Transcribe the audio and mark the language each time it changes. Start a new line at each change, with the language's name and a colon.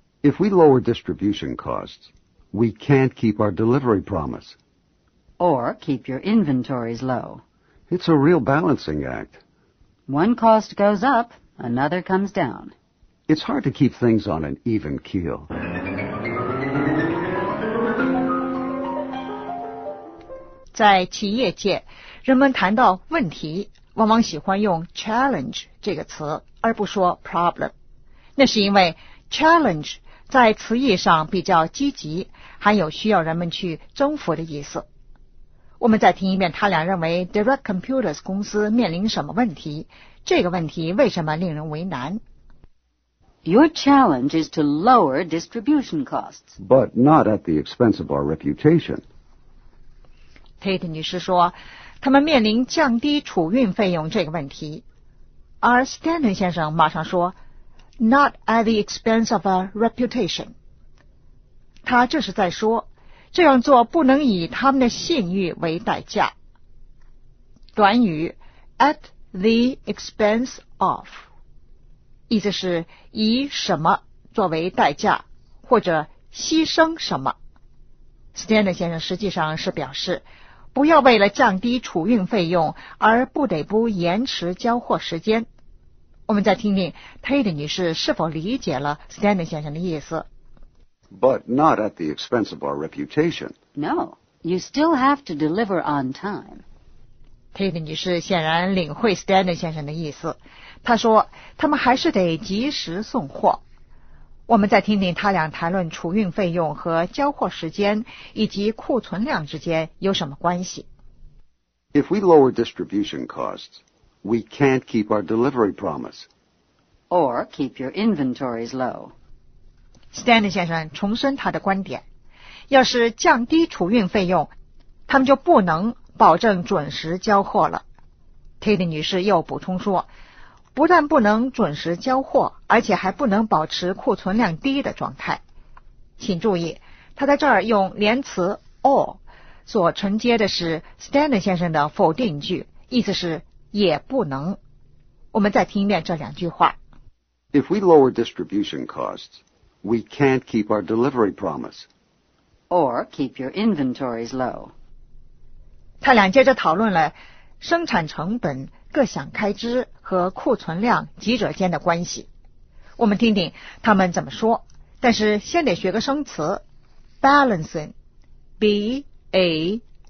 English: If we lower distribution costs, we can't keep our delivery promise. Or keep your inventories low. It's a real balancing act. One cost goes up, another comes down. It's hard to keep things on an even keel.
Chinese: In 企业界，人们谈到问题，往往喜欢用 challenge 这个词，而不说 problem。那是因为 challenge 在词义上比较积极，含有需要人们去征服的意思。我们再听一遍他俩认为 Direct Computers 公司面临什么问题，这个问题为什么令人为难。
English: Your challenge is to lower distribution costs. But not at the expense of our reputation.
Chinese: Tate 女士说，他们面临降低储运费用这个问题，而 Stanton 先生马上说
English: Not at the expense of our reputation.
Chinese: 他这是在说这样做不能以他们的信誉为代价。短语 at the expense of 意思是以什么作为代价或者牺牲什么。 Stanton 先生实际上是表示不要为了降低储运费用而不得不延迟交货时间。我们再听听 Tate 女士是否理解了 Stanton 先生的意思。
English: But not at the expense of our reputation. No, you still have to deliver on time.
Chinese: Tate 女士显然领会 Stanton 先生的意思，她说他们还是得及时送货。我们再听听他俩谈论储运费用和交货时间以及库存量之间有什么关系。
English: If we lower distribution costs, we can't keep our delivery promise. Or keep your inventories low.
Chinese: Stanton 先生重申他的观点，要是降低储运费用，他们就不能保证准时交货了。 Tate 女士又补充说，不但不能准时交货，而且还不能保持库存量低的状态。请注意，他在这儿用连词 or 所承接的是 Stanton 先生的否定句，意思是也不能。我们再听一遍这两句话。
English: If we lower distribution costsWe can't keep our delivery promise. Or keep your inventories low.
Chinese: 他俩接着讨论了生产成本、各项开支和库存量几者间的关系。我们听听他们怎么说，但是先得学个生词 balancing, B-A-L-A-N-C-I-N-G,